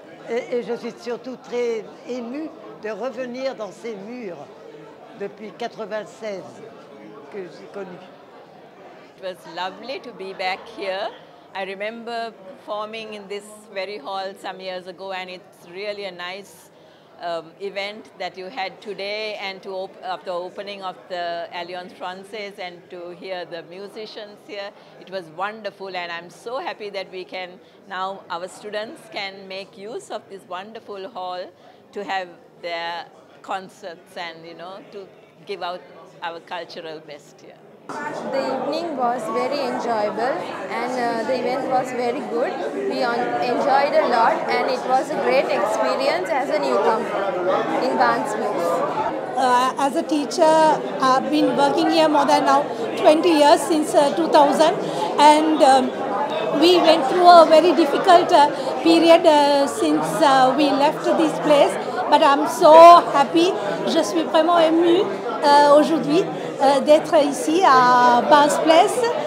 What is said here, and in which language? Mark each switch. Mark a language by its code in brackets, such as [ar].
[fr] Et je suis surtout très émue de revenir dans ces murs depuis 96 que j'ai connu. [en] It was lovely to be back here. I remember performing in this very hall some years ago, and it's really a nice event that you had today, and to the opening of the Alliance Française, and to hear the musicians here. It was wonderful, and I'm so happy that we can now, our students can make use of this wonderful hall to have their concerts and, you know, to give out our cultural best here. The evening was very enjoyable, and the event was very good. We enjoyed a lot, and it was a great experience as a newcomer in Barnsmith. As a teacher, I've been working here more than now 20 years, since 2000, and we went through a very difficult period since we left this place, but I'm so happy. [fr] Je suis vraiment émue aujourd'hui d'être ici à Barnes Place.